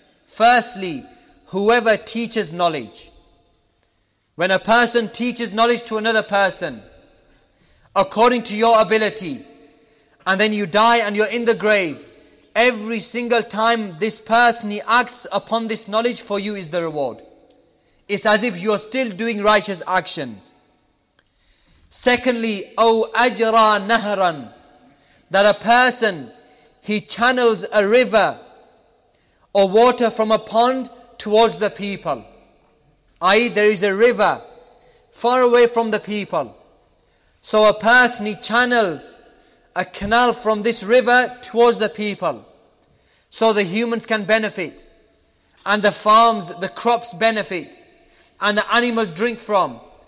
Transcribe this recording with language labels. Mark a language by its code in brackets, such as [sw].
[en] Firstly, whoever teaches knowledge. When a person teaches knowledge to another person, according to your ability, and then you die and you're in the grave, every single time this person, he acts upon this knowledge, for you is the reward. It's as if you're still doing righteous actions. Secondly, [ar] أَوْ أَجْرَى نَهْرًا. [en] That a person, he channels a river or water from a pond towards the people. I.e. there is a river far away from the people. So a person, he channels a canal from this river towards the people, so the humans can benefit, and the farms, the crops benefit, and the animals drink from.